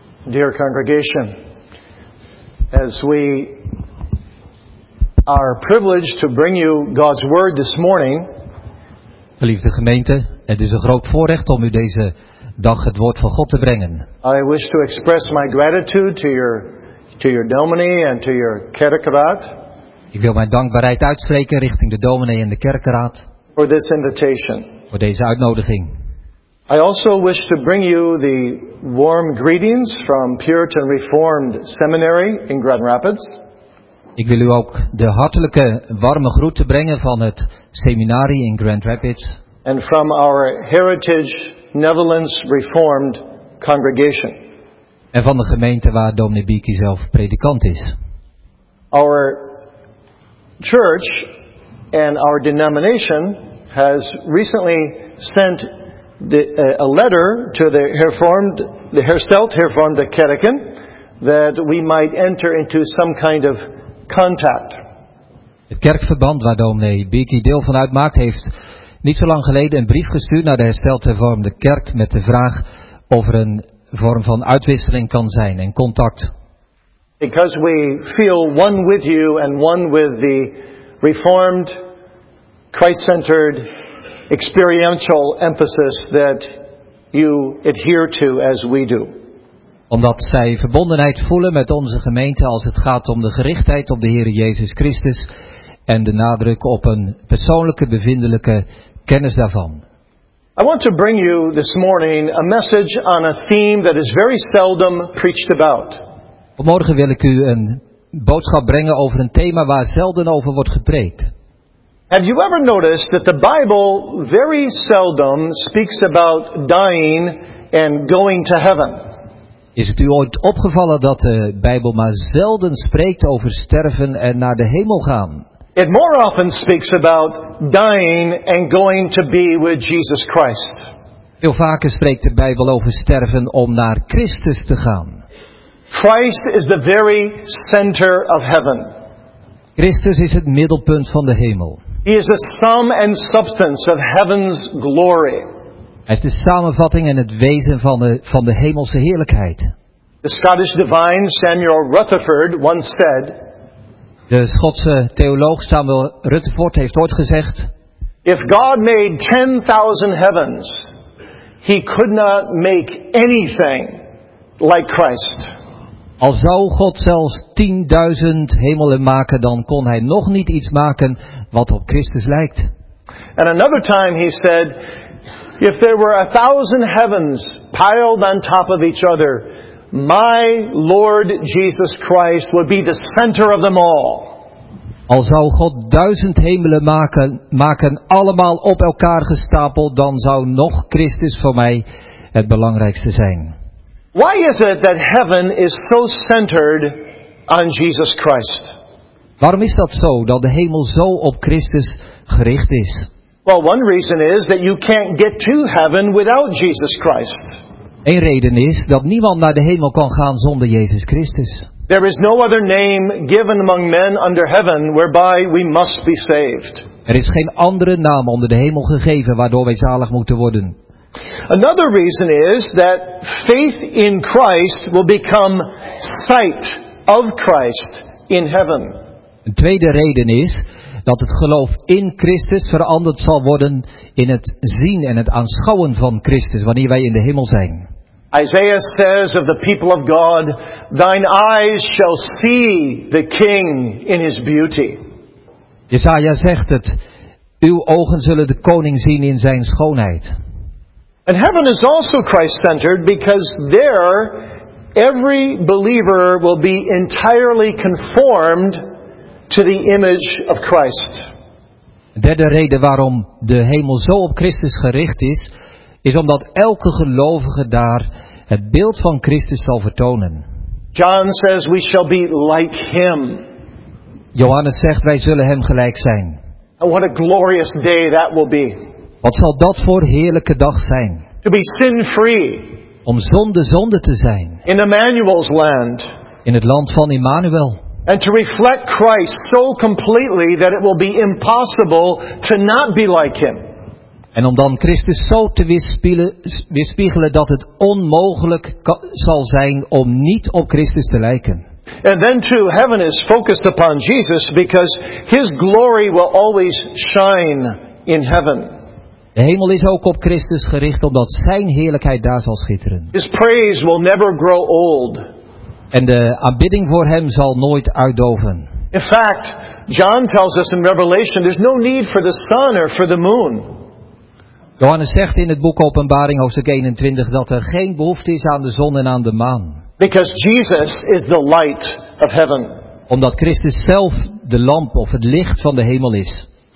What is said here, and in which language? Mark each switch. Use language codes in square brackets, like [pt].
[en] dear congregation, as we are privileged to bring you God's word this morning. [nl] Geliefde gemeente, het is een groot voorrecht om u deze dag het woord van God te brengen. [en] I wish to express my gratitude to your dominee and to your kerkraad. [nl] Ik wil mijn dankbaarheid uitspreken richting de dominee en de kerkraad. [en] For this invitation. [nl] Voor deze uitnodiging. [en] I also wish to bring you the warm greetings from Puritan Reformed Seminary in Grand Rapids. [nl] Ik wil u ook de hartelijke warme groeten brengen van het seminarie in Grand Rapids. [en] And from our Heritage Netherlands Reformed Congregation. [nl] En van de gemeente waar Dominee Bieke zelf predikant is. [en] Our church and our denomination has recently sent a letter to the Hersteld Hervormde Kerken that we might enter into some kind of contact. [nl] Het kerkverband waar Dominee Bieke deel van uitmaakt heeft niet zo lang geleden een brief gestuurd naar de Hersteld Hervormde Kerk met de vraag of er een vorm van uitwisseling kan zijn en contact. [en] Because we feel one with you and one with the Reformed, Christ-centered, experiential emphasis that you adhere to as we do. [nl] Omdat zij verbondenheid voelen met onze gemeente als het gaat om de gerichtheid op de Heer Jezus Christus en de nadruk op een persoonlijke, bevindelijke kennis daarvan. [en] I want to bring you this morning a message on a theme that is very seldom preached about. [nl] Vanmorgen wil ik u een boodschap brengen over een thema waar zelden over wordt gepreekt. [en] Have you ever noticed that the Bible very seldom speaks about dying and going to heaven? [nl] Is het u ooit opgevallen dat de Bijbel maar zelden spreekt over sterven en naar de hemel gaan? [en] It more often speaks about dying and going to be with Jesus Christ. [nl] Veel vaker spreekt de Bijbel over sterven om naar Christus te gaan. [en] Christ is the very center of heaven. [nl] Christus is het middelpunt van de hemel. [en] He is the sum and substance of heaven's glory. [nl] Hij is de samenvatting en het wezen van de hemelse heerlijkheid. [en] The Scottish divine Samuel Rutherford once said. [nl] De Schotse theoloog Samuel Rutherford heeft ooit gezegd: [en] If God made 10,000 heavens, he could not make anything like Christ. [nl] Al zou God zelfs 10.000 hemelen maken, dan kon hij nog niet iets maken wat op Christus lijkt. [en] And another time he said, if there were 1,000 heavens piled on top of each other, my Lord Jesus Christ would be the center of them all. [nl] Al zou God 1,000 hemelen maken, allemaal op elkaar gestapeld, dan zou nog Christus voor mij het belangrijkste zijn. [en] Why is it that heaven is so centered on Jesus Christ? [nl] Waarom is dat zo, dat de hemel zo op Christus gericht is? [en] Well, one reason is that you can't get to heaven without Jesus Christ. [nl] Een reden is dat niemand naar de hemel kan gaan zonder Jezus Christus. [en] There is no other name given among men under heaven whereby we must be saved. [nl] Er is geen andere naam onder de hemel gegeven waardoor wij zalig moeten worden. [en] Another reason is that faith in Christ will become sight of Christ in heaven. [nl] Een tweede reden is dat het geloof in Christus veranderd zal worden in het zien en het aanschouwen van Christus wanneer wij in de hemel zijn. [en] Isaiah says of the people of God, thine eyes shall see the king in his beauty. [nl] Jesaja zegt het, uw ogen zullen de koning zien in zijn schoonheid. [en] And heaven is also Christ-centered because there every believer will be entirely conformed to the image of Christ. [nl] De derde reden waarom de hemel zo op Christus gericht is, is omdat elke gelovige daar het beeld van Christus zal vertonen. [en] John says we shall be like him. [nl] Johannes zegt wij zullen hem gelijk zijn. [en] And what a glorious day that will be. [nl] Wat zal dat voor heerlijke dag zijn? [en] To be sin free. [nl] Om zonder zonde te zijn. [en] In Emmanuel's land. [nl] In het land van Emmanuel. [en] And to reflect Christ so completely that it will be impossible to not be like him. [nl] En om dan Christus zo te weerspiegelen dat het onmogelijk zal zijn om niet op Christus te lijken. [en] And then too, heaven is focused upon Jesus because his glory will always shine in heaven. [nl] De hemel is ook op Christus gericht omdat zijn heerlijkheid daar zal schitteren. [en] His praise will never grow old. [nl] En de aanbidding voor hem zal nooit uitdoven. [en] In fact, John tells us in Revelation there's no need for the sun or for the moon. [nl] Johannes zegt in het boek Openbaring hoofdstuk 21 dat er geen behoefte is aan de zon en aan de maan. [en] Because Jesus is the light of heaven. [nl] Omdat Christus zelf de lamp of het licht van de hemel is.